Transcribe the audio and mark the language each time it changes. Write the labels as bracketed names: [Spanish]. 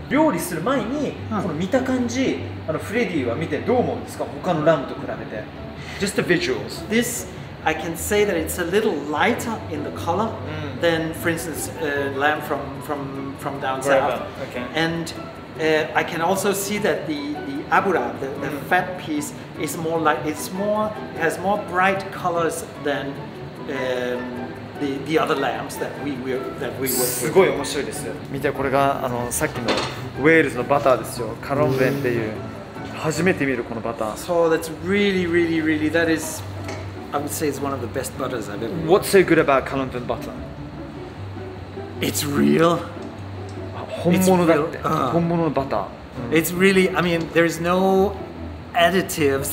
[Japanese] 料理する前に、この見た感じ、フレディは見てどう思うんですか？他のラムと比べて。 [English] Just the visuals. This, I can say that it's a little lighter in the color than, for instance, lamb from down Wherever. south. Okay. And I can also see that the 油, the fat piece, is more light. It's more, has more bright colors than the other lambs that we [Japanese] すごい面白いですよ。見て、これがさっきのウェールズのバターですよ。カロンベンっていう、初めて見るこのバター。 [English] So that's really, really, really, that is, I would say it's one of the best butters I've ever. What's so good about カロンベン butter? It's real. [Japanese] 本物だって。本物のバター。 [English] It's really, I mean, there is no additives.